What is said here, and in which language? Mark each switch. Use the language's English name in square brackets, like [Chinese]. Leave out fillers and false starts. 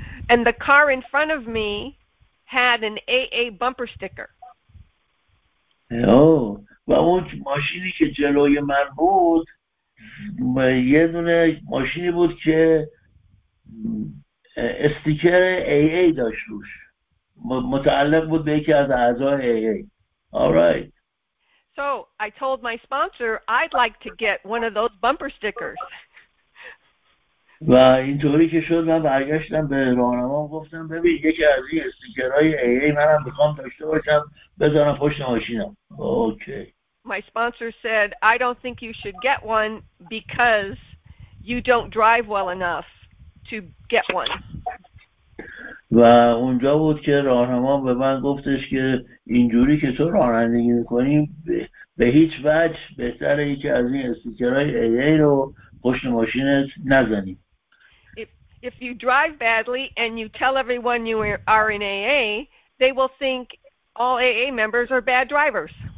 [English] And the car in front of me had an AA bumper sticker. [Persian] Oh, و اون ماشینی که جلوی من بود یه دونه ماشینی بود که استیکر AA داشت روش. متعلق بود به یکی از اعضای AA. [English] All right. So, I told my sponsor I'd like to get one of those bumper stickers. [Persian] و اینطوری که شد من برگشتم به راهنما گفتم ببین یکی از این استیکرهای ای ای منم بخوام داشته باشم بذارم پشت ماشینم. [English] Okay. My sponsor said I don't think you should get one because you don't drive well enough to get one. [Persian] و اونجا بود که راهنما به من گفتش که اینجوری که تو رانندگی میکنی به هیچ وجه بهتر یکی از این استیکرهای ای ای رو پشت ماشینت نزنیم. [English] If you drive badly and you tell everyone you are in AA, they will think all AA members are bad drivers.